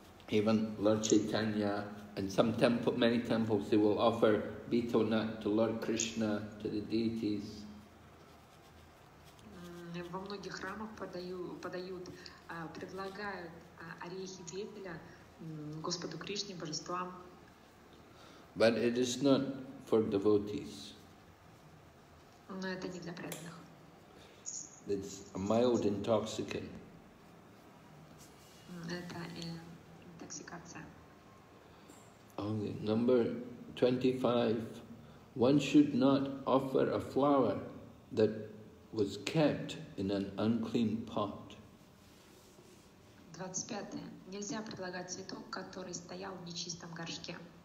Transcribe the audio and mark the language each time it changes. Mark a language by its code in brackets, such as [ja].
[en] Even Lord Chaitanya and some temple, many temples, they will offer betel nut to Lord Krishna, to the deities. [ru] Во многих храмах подают, предлагают орехи дебеля Господу Кришне, Божествам. [en] But it is not for devotees. [ru] Но это не для преданных. [en] It's a mild intoxicant. [ru] Это интоксикация. [en] Okay, number 25. One should not offer a flower that was kept in an unclean pot. 25. [ru] Нельзя предлагать цветок, который стоял в нечистом горшке.